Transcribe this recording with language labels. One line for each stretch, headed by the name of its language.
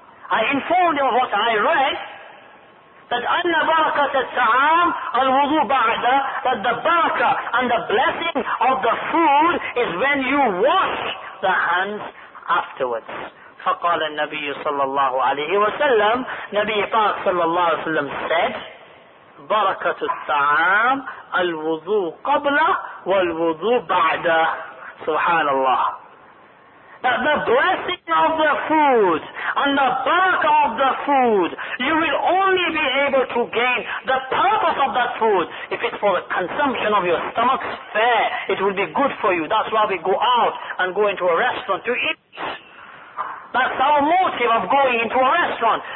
English: I informed him of what I read. That
Arabic: أَنَّ بَرَكَةَ التَّعَامُ الْوُضُو بَعْدَ,
English: that the barakah and the blessing of the food is when you wash the hands afterwards.
Arabic: فَقَالَ النَّبِيُّ صَلَّى اللَّهُ عَلَيْهِ وَسَلَّمُ. Nabi Paak صلى الله عليه وسلم said, بَرَكَةُ التَّعَامُ الْوُضُو قَبْلَ وَالْوُضُو بَعْدَ. سبحان الله.
English: That the blessing of the food and the barakah of the food, you will only be able to gain the purpose of that food. If it's for the consumption of your stomach, fair, it will be good for you. That's why we go out and go into a restaurant to eat. That's our motive of going into a restaurant.